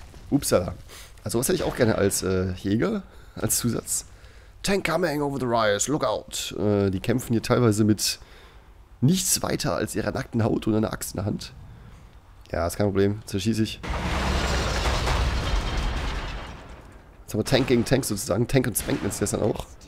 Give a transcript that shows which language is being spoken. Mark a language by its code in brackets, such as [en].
[de] Upsala. Also was hätte ich auch gerne als Jäger, als Zusatz. [en] Tank coming over the rise, look out. [de] Die kämpfen hier teilweise mit nichts weiter als ihrer nackten Haut und einer Axt in der Hand. Ja, ist kein Problem, zerschieße ich. Jetzt haben wir Tank gegen Tank sozusagen. Tank und Spank nennt sich das dann auch.